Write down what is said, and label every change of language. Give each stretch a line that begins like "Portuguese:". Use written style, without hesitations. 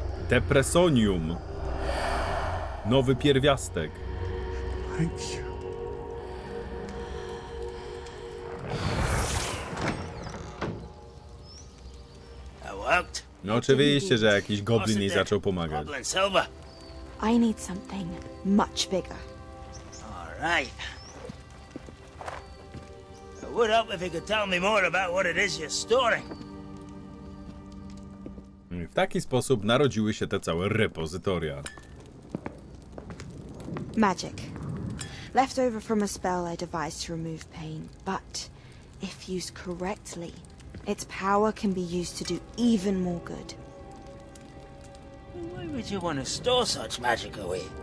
Polish: Depresonium. nowy pierwiastek.
English: Thank you.
Polish: No oczywiście, że jakiś goblin jej zaczął pomagać.
English: I need something much bigger. All right. It would help if you could tell me more about what it is you're storing.
Polish: W taki sposób narodziły się te całe repozytoria.
English: Magic. Left over from a spell I devised to remove pain, but if used correctly, its power can be used to do even more good. Why would you want to store such magic away?